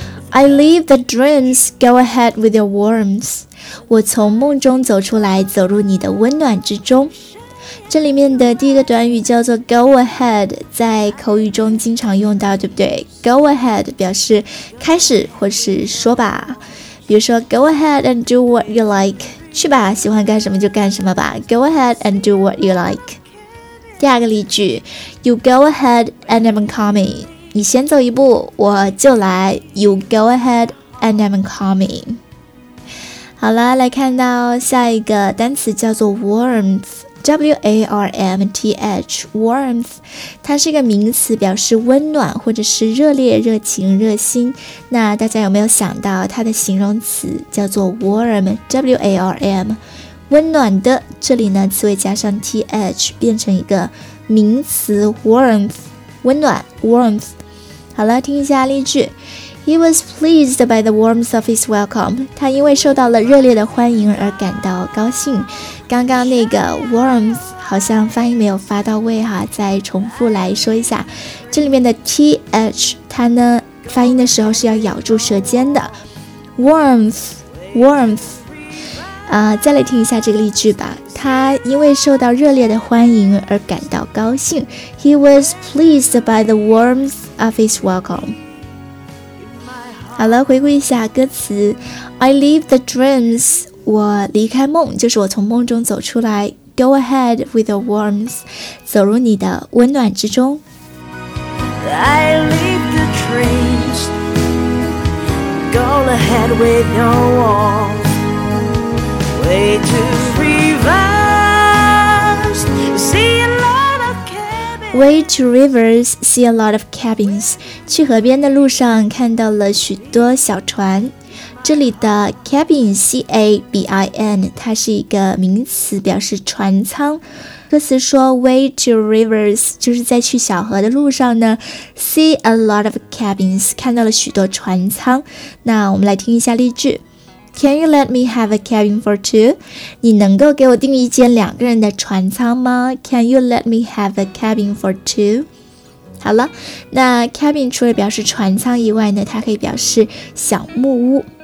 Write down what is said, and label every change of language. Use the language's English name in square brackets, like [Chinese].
[English] I leave the dreams, go ahead with your warmth. [Chinese] 我从梦中走出来，走入你的温暖之中。这里面的第一个短语叫做 go ahead, 在口语中经常用到，对不对？ Go ahead 表示开始或是说吧。比如说 [English] go ahead and do what you like, [Chinese] 去吧，喜欢干什么就干什么吧。 [English] Go ahead and do what you like。 [Chinese] 第二个例句 [English] You go ahead and I'm coming. [Chinese] 你先走一步我就来。 [English] You go ahead and I'm coming. [Chinese] 好了，来看到下一个单词叫做 warmth, W-A-R-M-T-H, warmth. 它是一个名词，表示温暖或者是热烈、热情、热心。那大家有没有想到它的形容词叫做 warm, W-A-R-M,温暖的。这里呢词尾加上 th 变成一个名词 warmth, 温暖 warmth。好了，听一下例句。 [English] He was pleased by the warmth of his welcome. [Chinese] 他因为受到了热烈的欢迎而感到高兴。刚刚那个 warmth 好像发音没有发到位哈，再重复来说一下。这里面的 th 它呢发音的时候是要咬住舌尖的， warmth warmth。再来听一下这个例句吧。他因为受到热烈的欢迎而感到高兴。 [English] He was pleased by the warmth of his welcome. [Chinese] 好了，回顾一下歌词。 [English] I leave the dreams, [Chinese] 我离开梦，就是我从梦中走出来。 [English] Go ahead with the warmth, [Chinese] 走入你的温暖之中。 [English] I leave the dreams, all ahead with no walls. Way to rivers, see a lot of cabins. Way to rivers, see a lot of cabins. [Chinese] 去河边的路上看到了许多小船。这里的 cabin, C-A-B-I-N, 它是一个名词，表示船舱。歌词说 [English] way to rivers, [Chinese] 就是在去小河的路上呢 [English] see a lot of cabins, [Chinese] 看到了许多船舱。那我们来听一下例句。 [English] Can you let me have a cabin for two? [Chinese] 你能够给我订一间两个人的船舱吗？ [English] Can you let me have a cabin for two? [Chinese] 好了，那 cabin 除了表示船舱以外呢，它可以表示小木屋。